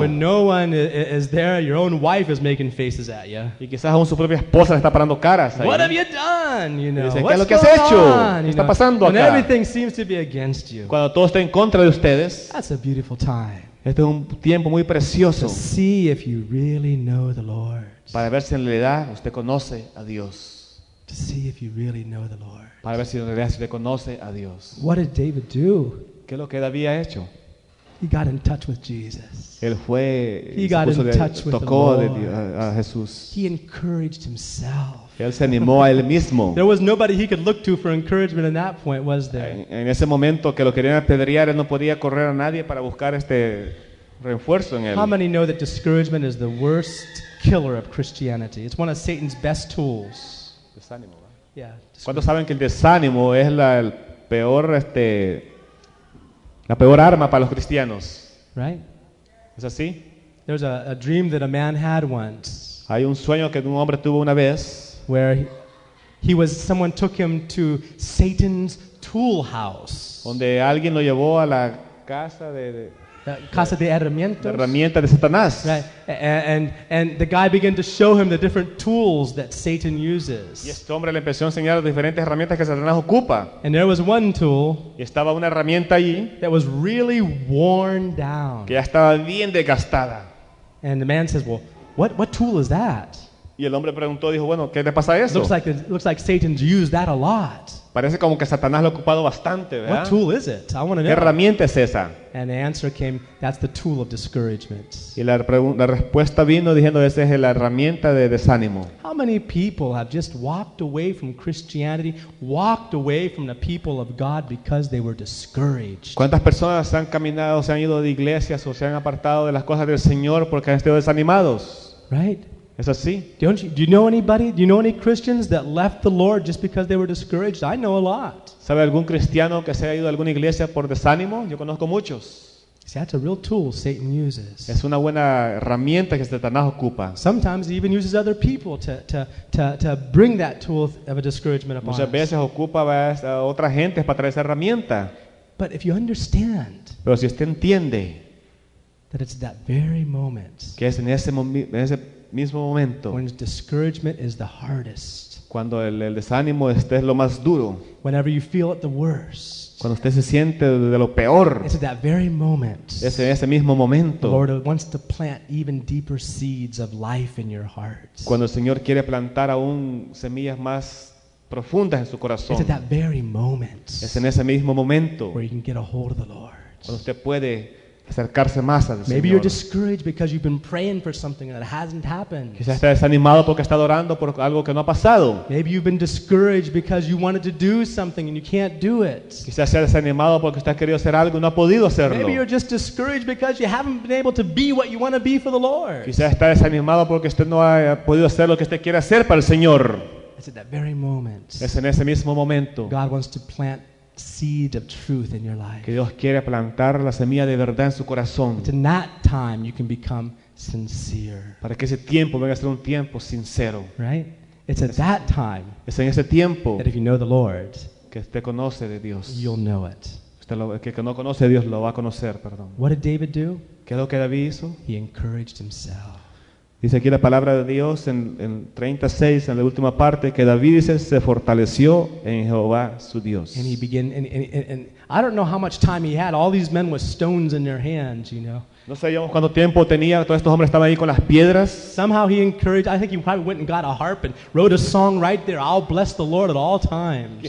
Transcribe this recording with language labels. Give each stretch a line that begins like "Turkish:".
English: When no one is there, your own wife is making faces at you.
Spanish: Y quizás aún su propia esposa le está parando caras ahí.
English: What have you done? You know.
Spanish: Dice, ¿qué es lo que has hecho? ¿Qué está pasando acá?
English: When everything seems to be against you.
Spanish: Cuando todo está en contra de ustedes.
English: That's a beautiful time.
Spanish: Este es un tiempo muy precioso.
English: To see if you really know the Lord.
Spanish: Para ver si en realidad usted conoce a Dios.
English: To see if you really know the Lord.
Spanish: Para ver si en realidad se reconoce a Dios.
English: What did David do?
Spanish: ¿Qué es lo que David ha hecho?
English: He got in touch with Jesus.
Spanish: Él fue,
English: he got in touch with
Spanish: tocó
English: the Lord.
Spanish: A Jesús.
English: He encouraged himself.
Spanish: Él se animó a él mismo.
English: There was nobody he could look to for encouragement in that point, was there?
Spanish: En ese momento que lo querían apedrear, él no podía correr a nadie para buscar este refuerzo en él.
English: How many know that discouragement is the worst killer of Christianity? It's one of Satan's best tools.
Spanish: Desánimo.
English: Yeah,
Spanish: ¿cuántos saben que el desánimo es la peor arma para los cristianos?
English: Right?
Spanish: ¿Es así?
English: There's a dream that a man had once.
Spanish: Hay un sueño que un hombre tuvo una vez.
English: Where he was, someone took him to Satan's tool house.
Spanish: Donde alguien lo llevó a la casa de casa de herramientas. De herramientas de Satanás.
English: Right. And the guy began to show him the different tools that Satan uses.
Spanish: Y este hombre le empezó a enseñar las diferentes herramientas que Satanás ocupa.
English: And there was one tool.
Spanish: Y estaba una herramienta allí.
English: That was really worn down.
Spanish: Que ya estaba bien desgastada.
English: And the man says, "Well, what tool is that?"
Spanish: Y el hombre preguntó, dijo, "Bueno, ¿qué te pasa a eso?"
English: Looks like Satan's used that a lot.
Spanish: Parece como que Satanás lo ha ocupado bastante, ¿verdad?
English: What tool is it? I want to know.
Spanish: ¿Qué herramienta es esa?
English: And the answer came, that's the tool of discouragement.
Spanish: Y la respuesta vino diciendo, esa es la herramienta de desánimo.
English: How many people have just walked away from Christianity, walked away from the people of God because they were discouraged?
Spanish: ¿Cuántas personas han caminado, se han ido de iglesias o se han apartado de las cosas del Señor porque han estado desanimados?
English: Right?
Spanish: ¿Es así?
English: Do you know anybody? Do you know any Christians that left the Lord just because they were discouraged? I know a lot.
Spanish: ¿Sabe algún cristiano que se haya ido a alguna iglesia por desánimo? Yo conozco muchos.
English: See, that's a real tool Satan uses.
Spanish: Es una buena herramienta que Satanás ocupa.
English: Sometimes he even uses other people to bring that tool of a discouragement upon us.
Spanish: Muchas veces ocupa a otra gente para traer esa herramienta.
English: But if you understand,
Spanish: pero si usted entiende,
English: that it's that very moment,
Spanish: que es en ese mismo momento,
English: when discouragement is the hardest,
Spanish: cuando el desánimo esté lo más duro,
English: whenever you feel it the worst,
Spanish: cuando usted se siente de lo peor,
English: it's at that very moment,
Spanish: es en ese mismo momento,
English: the Lord wants to plant even deeper seeds of life in your heart,
Spanish: cuando el Señor quiere plantar aún semillas más profundas en su corazón,
English: it's at that very moment,
Spanish: es en ese mismo momento,
English: where you can get a hold of the Lord,
Spanish: cuando usted puede acercarse más al Señor.
English: Maybe you're discouraged because you've been praying for something that hasn't happened.
Spanish: Quizás está desanimado porque está orando por algo que no ha pasado.
English: Maybe you've been discouraged because you wanted to do something and you can't do it.
Spanish: Quizás está desanimado porque está querido hacer algo y no ha podido hacerlo.
English: Maybe you're just discouraged because you haven't been able to be what you want to be for the Lord.
Spanish: Quizás está desanimado porque usted no ha podido hacer lo que usted quiere hacer para el Señor.
English: It's at that very moment.
Spanish: Es en ese mismo momento.
English: God wants to plant seed of truth in your life.
Spanish: Que Dios quiere plantar la semilla de verdad en su corazón.
English: But in that time you can become sincere.
Spanish: Para que ese tiempo venga a ser un tiempo sincero.
English: Right? It's at that time.
Spanish: Es en ese tiempo.
English: That if you know the Lord,
Spanish: que usted conoce de Dios.
English: You'll know it.
Spanish: Que no conoce a Dios lo va a conocer, perdón.
English: What did David do?
Spanish: ¿Qué es lo que David hizo?
English: He encouraged himself.
Spanish: Dice aquí la palabra de Dios en 36, en la última parte, que David dice, se fortaleció en Jehová su Dios.
English: And he began, and I don't know how much time he had. All these men with stones in their hands, you know.
Spanish: No sé yo cuánto tiempo tenía, todos estos hombres estaban ahí con las piedras.
English: Somehow he encouraged, I think he probably went and got a harp and wrote a song right there, I'll bless the Lord at all times.